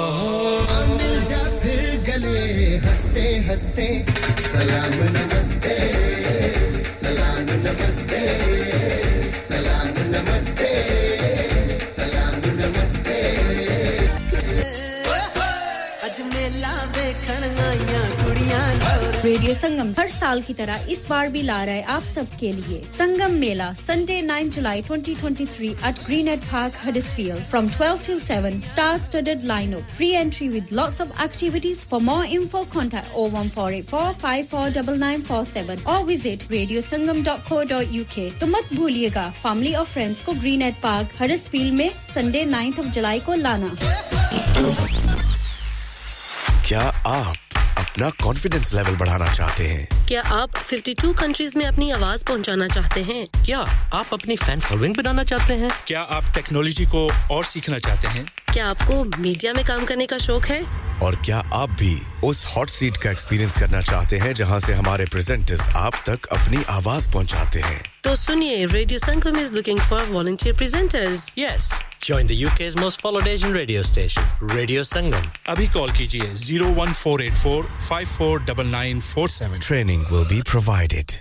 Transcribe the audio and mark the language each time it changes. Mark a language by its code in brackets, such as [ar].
[ur] مل جا پھر گلے ہستے ہستے سلام نمستے سلام نمستے سلام نمستے سلام نمستے [pa] اج میلا ویکھن آئیاں کڑیاں [ur] ریڈیو سنگم ہر سال کی طرح اس بار بھی لا رہا ہے آپ سب کے لیے سنگم میلا [en] Sunday 9 July 2023 at Greenhead park Huddersfield from 12 till 7 star studded line up free entry with lots of activities for more info contact [ur] 01484549947 اور وزٹ ریڈیو سنگم ڈاٹ کو ڈاٹ یو کے تو مت بھولیے گا فیملی اور فرینڈس کو گرین ایٹ پارک ہڈسفیلڈ میں Sunday 9 of July کو لانا کیا آپ اپنا کانفیڈنس لیول بڑھانا چاہتے ہیں کیا آپ 52 کنٹریز میں اپنی آواز پہنچانا چاہتے ہیں کیا آپ اپنی فین فالوئنگ بنانا چاہتے ہیں کیا آپ ٹیکنالوجی کو اور سیکھنا چاہتے ہیں کیا آپ کو میڈیا میں کام کرنے کا شوق ہے اور کیا آپ بھی اس ہاٹ سیٹ کا ایکسپیرینس کرنا چاہتے ہیں جہاں سے ہمارے پریزنٹرز آپ تک اپنی آواز پہنچاتے ہیں تو سنیے radio Sangam [en] Is looking for volunteer presenters yes Join the UK's most followed Asian radio station, Radio Sangam. [ur] Abhi call kijiye 01484549947. [en] Training will be provided.